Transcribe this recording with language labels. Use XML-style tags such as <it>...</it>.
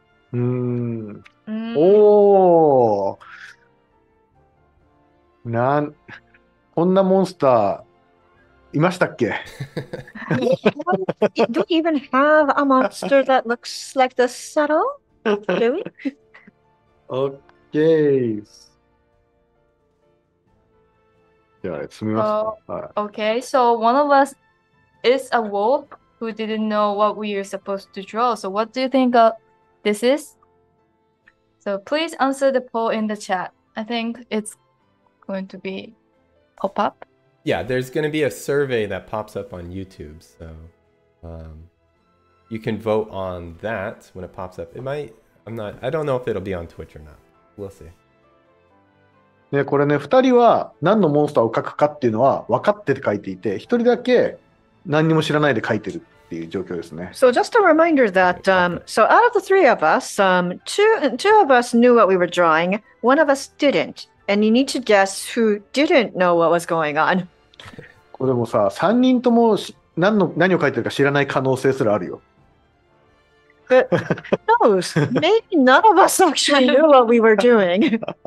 <ja>なん、こんなモンスターいましたっけ？</ja> <en>Do we even have a monster that looks like the saddle? Do we? Okay. Okay, so one of us is a wolf who didn't know what we were supposed to draw. So what do you think this is? So please answer the poll in the chat. I think it's going to be pop up. Yeah, there's going to be a survey that pops up on YouTube. So you can vote on that when it pops up. I don't know if it'll be on Twitch or not. We'll see.</en> <ja>でこれね2人は何のモンスターを描くかっていうのは分かって描いていて1人だけ何にも知らないで描いてるっていう状況ですね。</ja> <en>So just a reminder that so out of the three of us, two of us knew what we were drawing, one of us didn't, and you need to guess who didn't know what was going on.</en> <ja>これもさ3人とも何を描いてるか知らない可能性すらあるよ。</ja> <en>But who knows? Maybe none of us actually knew what we were doing.</en>